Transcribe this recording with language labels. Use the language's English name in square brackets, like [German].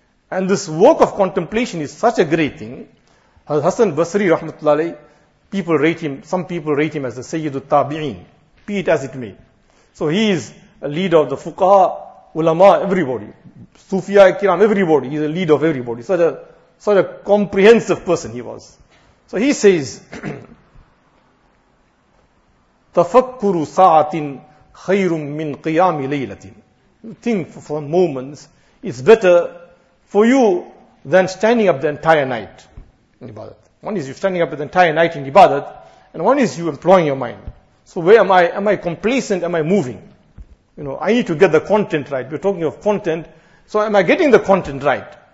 [English] And this work of contemplation is such a great thing. Hasan Basri Rahmatullah Alayh, people rate him, some people rate him as the Sayyidul Tabi'een, be it as it may. So he is a leader of the Fuqaha, Ulama, everybody. Sufiya Kiram, everybody. He is a leader of everybody. Such a comprehensive person he was. So he says, [Arabic] تَفَكُّرُ سَاعَةٍ خَيْرٌ مِّنْ قِيَامِ لَيْلَةٍ. [English] You think for moments, it's better for you than standing up the entire night in ibadat. One is you standing up the entire night in ibadat, and one is you employing your mind. So where am I? Am I complacent? Am I moving? You know, I need to get the content right. We're talking of content. So am I getting the content right?